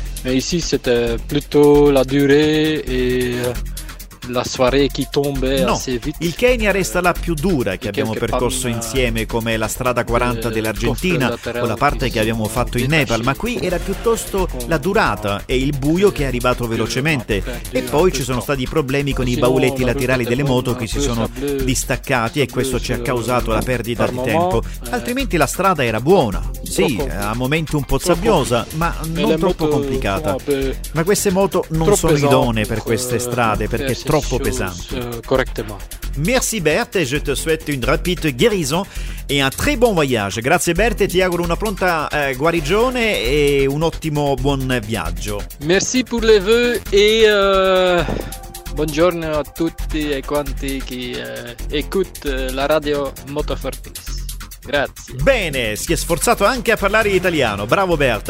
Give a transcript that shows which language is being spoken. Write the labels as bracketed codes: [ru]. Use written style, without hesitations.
[fr] Mais ici, c'était plutôt la durée et la soirée qui tombait no, assez vite. [it] Il Kenya resta la più dura che abbiamo percorso insieme, come la strada 40 dell'Argentina o la parte che abbiamo fatto in Nepal, ma qui era piuttosto la durata e il buio che è arrivato velocemente. E poi ci sono stati problemi con i bauletti laterali delle moto che si sono distaccati e questo ci ha causato la perdita di tempo. Altrimenti la strada era buona. Sì, a momenti un po' sabbiosa, ma non troppo complicata. Ma queste moto non sono idonee per queste strade perché troppo pesante. [fr] Correctement. Merci Bert, je te souhaite une rapide guérison et un très bon voyage. [it] Grazie Bert, ti auguro una pronta guarigione e un ottimo buon viaggio. [fr] Merci pour les vœux et [it] buongiorno a tutti e quanti [fr] qui écoute la radio Moto for Peace. [it] Grazie. Bene, si è sforzato anche a parlare italiano. Bravo Bert.